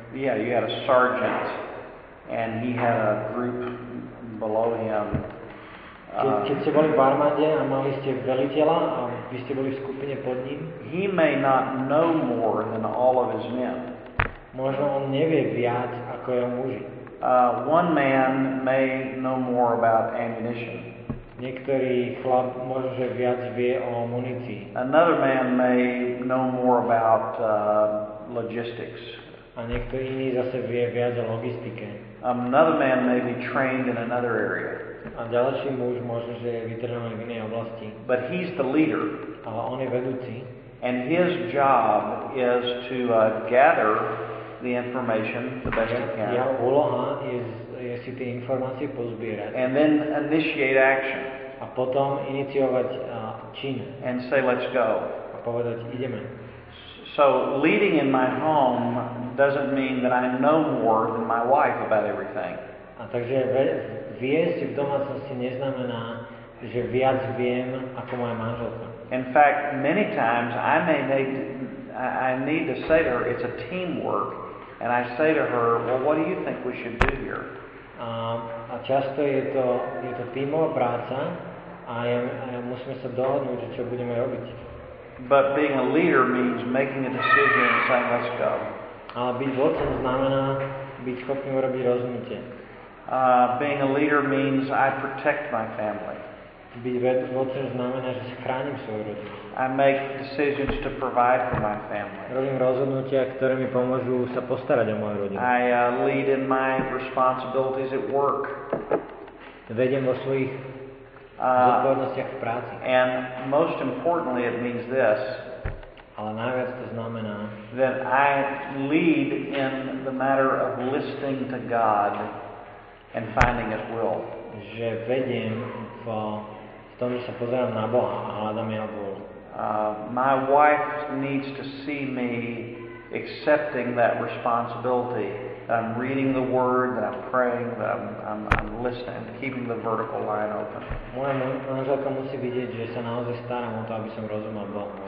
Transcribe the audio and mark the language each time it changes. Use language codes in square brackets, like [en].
[en] Yeah, you had a sergeant, and he had a group below him. [sk] Keď ste boli v armáde a mali ste veliteľa a vy ste boli v skupine pod ním, [en] he may not know more than all of his men. [sk] Možno on nevie viac ako jeho muži. [en] One man may know more about ammunition. [sk] Niektorý chlap možno že viac vie o munícii. [en] Another man may know more about logistics. [sk] A niektorý iný zase vie viac o logistike. [en] Another man may be trained in another area. [sk] A ďalší muž možno že je vytrenovaný v inej oblasti. [en] But he's the leader. [sk] Ale on je vedúci. [en] And his job is to gather the information the best he can. [sk] Jeho úloha je si tie informácie pozbierať. [en] And then initiate action. [sk] A potom iniciovať čin. [en] And say let's go. [sk] A povedať ideme. [en] So leading in my home doesn't mean that I know more than my wife about everything. [sk] A takže viesť v domácnosti neznamená, že viac viem ako moja manželka. [en] In fact, many times I need to say to her, it's a teamwork, and I say to her, well, what do you think we should do here? [sk] A často je to tímová práca a musíme sa dohodnúť, že čo budeme robiť. [en] But being a leader means making a decision and saying, let's go. [sk] Ale byť vodcom znamená byť schopný urobiť rozhodnutie. [en] Being a leader means I protect my family. [sk] Byť vodcom znamená, že chránim svoju rodinu. [en] I make decisions to provide for my family. [sk] Robím rozhodnutia, ktoré mi pomôžu sa postarať o moju rodinu. [en] I lead in my responsibilities at work. [sk] Vediem vo svojich zodpovednostiach v práci. [en] And most importantly it means this. [sk] Ale najviac to znamená, [en] that I lead in the matter of listening to God and finding his will. [sk] Že vediem v tom, že sa pozerám na Boha a hľadám jeho vôľu. [en] My wife needs to see me accepting that responsibility. That I'm reading the word, that I'm praying, that I'm listening, keeping the vertical line open. [sk] Moja manželka musí vidieť, že sa naozaj starám o to, aby som rozumel Bohu.